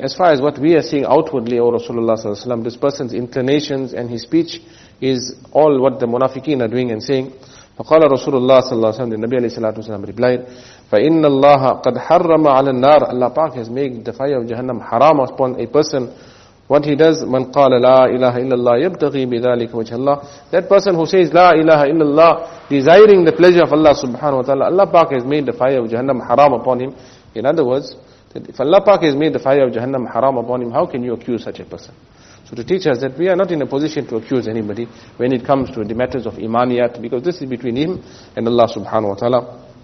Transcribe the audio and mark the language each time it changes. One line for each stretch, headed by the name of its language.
English: As far as what we are seeing outwardly, O Rasulullah sallallahu alayhi wa sallam, this person's inclinations and his speech is all what the munafiqeen are doing and saying.
Arabic: فقال رسول الله صلى الله عليه وسلم النبي عليه الصلاة والسلام
English: replied,
Arabic: فإن الله قد حرم على النار.
English: Allah Pak has made the fire of Jahannam haram upon a person. What he does,
Arabic: من قال لا إله إلا الله يبتغي بذلك وجه الله.
English: That person who says
Arabic: لا إله إلا الله,
English: desiring the pleasure of Allah subhanahu wa ta'ala, Allah Pak has made the fire of Jahannam haram upon him. In other words, if Allah Pak has made the fire of Jahannam haram upon him, how can you accuse such a person? So to teach us that we are not in a position to accuse anybody when it comes to the matters of imaniyat, because this is between him and Allah subhanahu wa ta'ala.